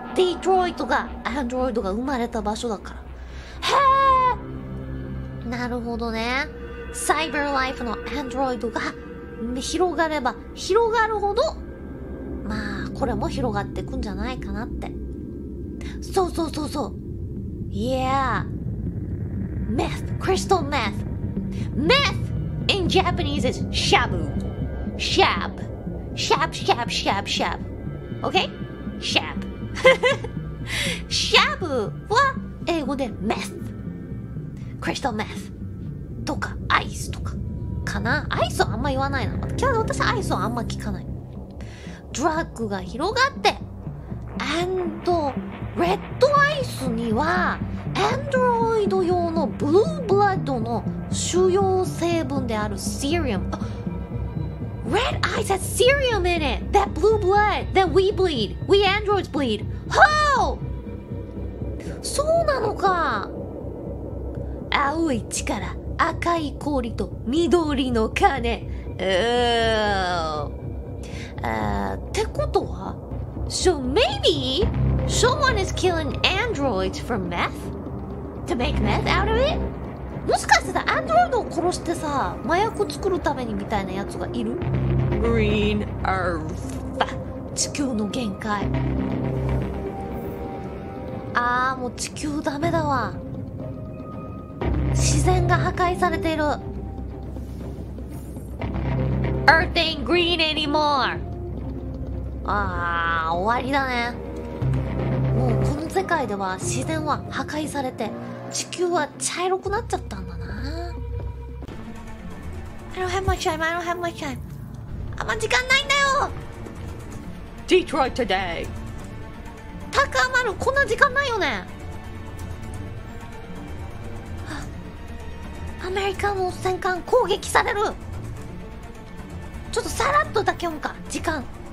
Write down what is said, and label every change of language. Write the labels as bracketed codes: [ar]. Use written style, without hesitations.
[ja] ディトロイトがアンドロイドが生まれた場所だから。へえ、なるほどね。サイバーライフのアンドロイドが広がれば広がるほど、まあこれも広がっていくんじゃないかなって。そうそうそうそう、 [en] Yeah, meth, crystal meth. MethIn Japanese is shabu. Shab. Shab, shab, shab, shab. Okay? Shab. [ja] Shabu は英語で meth. Crystal meth. とか ice とかかな。 Ice はあんま言わないな。私は ice はあんま聞かない。ドラッグが広がって、 [en] And red ice [ja] にはアンドロイド用のブルーブラッドの主要成分であるセリウム。 [en] Red eyes has serum in it! That blue blood! That we bleed! We androids bleed! Ho!、Oh! [ja] そうなのか。青い力、赤い氷と緑の金。ってことは [en] ?So maybe someone is killing androids for meth? To make meth out of it? [ja] もしかしてさ、アンドロイドを殺してさ、麻薬作るためにみたいなやつがいる? [en] Green Earth. [ja] 地球の限界。あー、もう地球ダメだわ。自然が破壊されている。 [en] Earth ain't green anymore. [ja] あー、終わりだね。もうこの世界では自然は破壊されて、地球は茶色くなっちゃったんだな。 [en] I don't have much time, I don't have much time. [ja] あんま時間ないんだよ。 [en] Detroit today. [ja] 高まる、こんな時間ないよね。アメリカの戦艦攻撃される。ちょっとさらっとだけ読むか、時間。